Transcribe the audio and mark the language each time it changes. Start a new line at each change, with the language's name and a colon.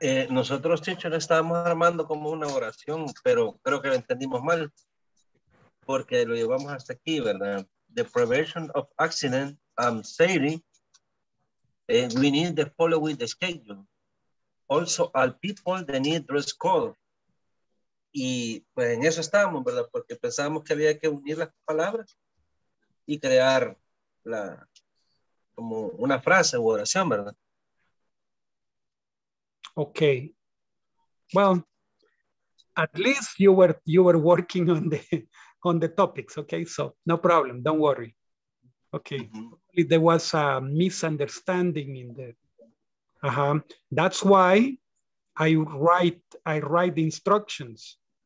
Spanish: Nosotros, teacher, estábamos armando como una oración, pero creo que lo entendimos mal, porque lo llevamos hasta aquí, ¿verdad?
English: The prevention of accident and safety, we need the following the schedule. Also, all people that need dress code.
Spanish: Y pues en eso estábamos, ¿verdad? Porque pensábamos que había que unir las palabras y crear la como una frase u oración, ¿verdad?
English: Okay. Well, at least you were working on the topics, okay? So, no problem, don't worry. Okay. Mm-hmm. If there was a misunderstanding in the that's why I write the instructions.